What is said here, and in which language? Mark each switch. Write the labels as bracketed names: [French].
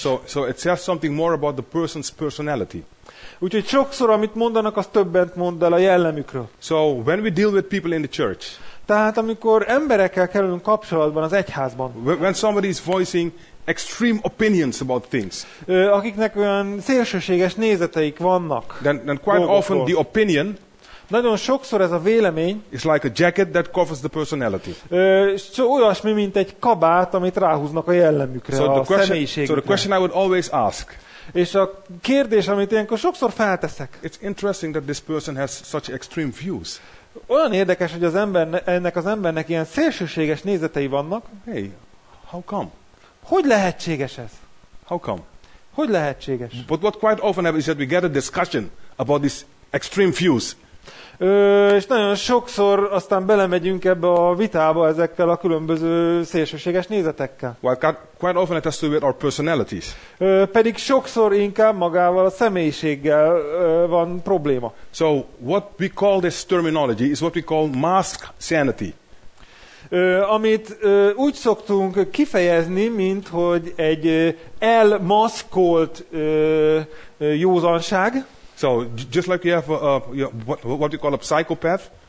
[English] So it says something more about the person's personality. [Hungarian] Úgyhogy sokszor, amit mondanak, az többet mond el a jellemükről. [English] So when we deal with people in the church. [Hungarian] Tehát amikor emberekkel kerülünk kapcsolatban az egyházban. [English] When somebody is voicing extreme opinions about things. [Hungarian] Akiknek olyan szélsőséges nézeteik vannak. [English] Then quite often the opinion. [Hungarian] Nagyon sokszor ez a vélemény. [English] Is like a jacket that covers the personality. [Hungarian] Olyasmi, mint egy kabát, amit ráhúznak a jellemükre, [English] so [Hungarian] a személyiségükre. [English] So the question I would always ask. [Hungarian] És a kérdés, amit ilyenkor sokszor felteszek. [English] It's interesting that this person has such extreme views. [Hungarian] Olyan érdekes, hogy ennek az embernek ilyen szélsőséges nézetei vannak. [English] Hey, how come? [Hungarian] Hogy lehetséges ez? [English] How come? [Hungarian] Hogy lehetséges? [English] But what quite often happens is that we get a discussion about these extreme views. [Hungarian] És nagyon sokszor aztán belemegyünk ebbe a vitába ezekkel a különböző szélsőséges nézetekkel. [English] Well, quite often it has to do with our personalities. [Hungarian] Pedig sokszor inkább magával a személyiséggel van probléma. [English] So what we call this terminology is what we call mask sanity. [Hungarian] Amit úgy szoktunk kifejezni, mint hogy egy elmaszkolt józanság. [English] So just like you have what you call a psychopath.